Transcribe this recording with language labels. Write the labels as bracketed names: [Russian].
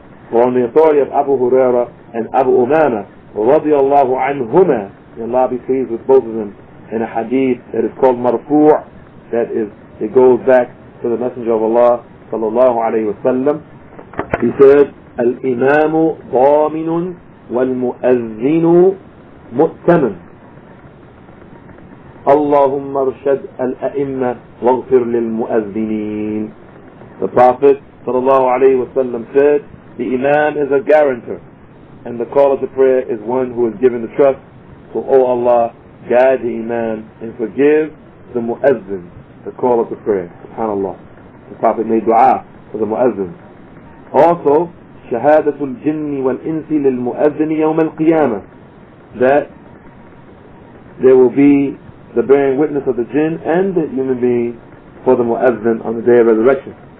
[English] For on the authority of Abu Huraira and Abu Umama radiyallahu anhuma, may Allah be pleased with both of them, in a hadith that is called marfu', that is, it goes back to the Messenger of Allah sallallahu alaihi wasallam, he said, [Arabic] الإمام ضامن والمؤذن مؤتمن. اللهم ارشد الأئمة واغفر للمؤذنين. [English] The Prophet sallallahu alaihi wasallam said, the Imam is a guarantor, and the caller to prayer is one who is given the trust. So, O Allah, guide the Imam and forgive the Mu'azzin, the caller to prayer. Subhanallah. The Prophet made dua for the Mu'azzin. Also, [Arabic] شهادة الجن والإنس للمؤذن يوم القيامة, [English] that there will be the bearing witness of the jinn and the human being for the mu'adhin on the day of resurrection.